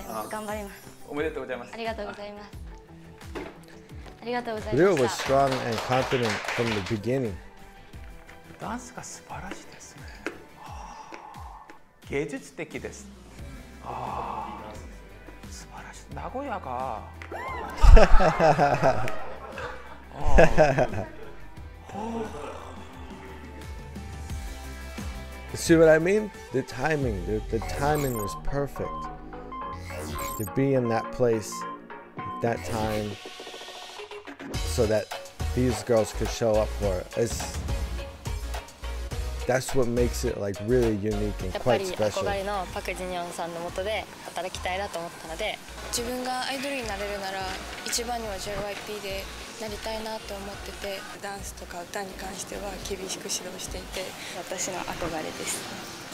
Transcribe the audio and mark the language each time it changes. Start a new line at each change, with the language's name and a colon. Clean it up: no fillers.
Japanese: ダンスに合格です。合格です。ありがとうございます。来てください。おめでとうございます。ありがとうございます。次のステージがもう見たくて楽しみです。ありがとうございます。頑張ります。おめでとうございます。ありがとうございます。
English: Ryo was strong and confident from the beginning. Dance is wonderful. It's art. It's wonderful. Nagoya is... See what I mean? The timing. The timing was perfect. To be in that place at that time. So that these girls could show up for it. that's what makes it like really unique and quite special.
Japanese: 憧れのパクジニョンさんの元で働きたいなと思ったので、自分がアイドルになれるなら一番には JYP でなりたいなと思ってて、ダンスとか歌に関しては厳しく指導していて、私の憧れです。